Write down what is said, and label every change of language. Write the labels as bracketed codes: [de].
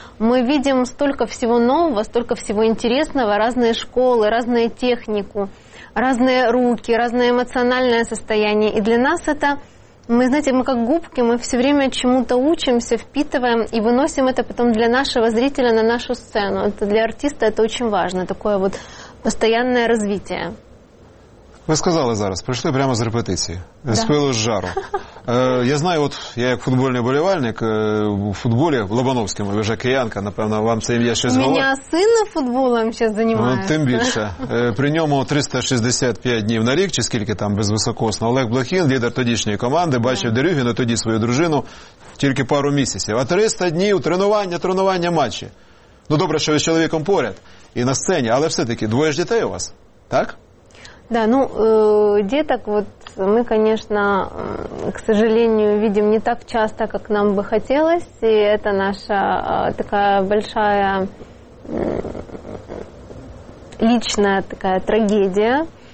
[ru] Мы видим столько всего нового, столько всего интересного, разные школы, разную технику, разные руки, разное эмоциональное состояние. И для нас это, мы, знаете, мы как губки, мы все время чему-то учимся, впитываем и выносим это потом для нашего зрителя на нашу сцену. Это для артиста это очень важно, такое вот постоянное развитие. [uk] Ви сказали зараз, прийшли прямо з репетиції, да. З пилу, з жару. Я знаю, от я як футбольний болівальник, у футболі, в Лобановському, ви вже киянка, напевно, вам це ім'я щось говорить. У мене син футболом зараз займається. Ну, тим більше. При ньому 365 днів на рік, чи скільки там безвисокосно. Олег Блохін, лідер тодішньої команди, бачив Дерюгіна, тоді свою дружину, тільки пару місяців. А 300 днів тренування, матчі. Ну, добре, що ви з чоловіком поряд і на сцені, але все-таки двоє ж дітей у вас, так? [ru] Да, ну, деток вот мы, конечно, к сожалению, видим не так часто, как нам бы хотелось, и это наша такая большая личная такая трагедия.